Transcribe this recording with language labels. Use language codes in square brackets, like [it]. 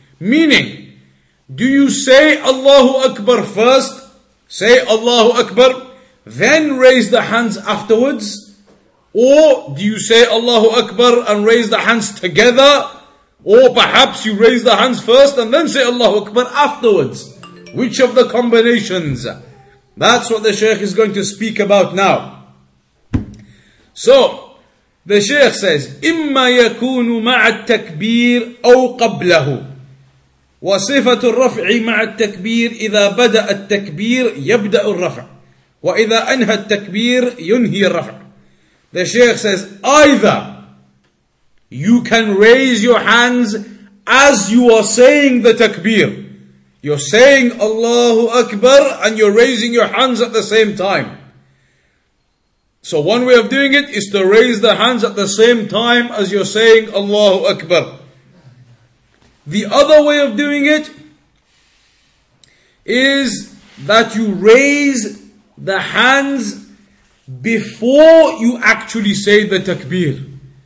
[en] Meaning, do you say Allahu Akbar first, say Allahu Akbar, then raise the hands afterwards? Or do you say Allahu Akbar and raise the hands together? Or perhaps you raise the hands first and then say Allahu Akbar afterwards? Which of the combinations? That's what the Shaykh is going to speak about now. So, the Shaykh says, [ar] إِمَّا يَكُونُ مَعَ التَّكْبِيرِ أَوْ قَبْلَهُ وَصِفَةُ الرَّفْعِ مَعَ التَّكْبِيرِ إِذَا بَدَأَ التَّكْبِيرِ يَبْدَأُ الرَّفْعِ وَإِذَا أَنْهَى التَّكْبِيرِ يُنْهِي الرَّفْعِ [en] The Shaykh says, either you can raise your hands as you are saying the takbir. You're saying Allahu Akbar and you're raising your hands at the same time. So one way of doing it is to raise the hands at the same time as you're saying Allahu Akbar. The other way of doing it is that you raise the hands before you actually say the takbir.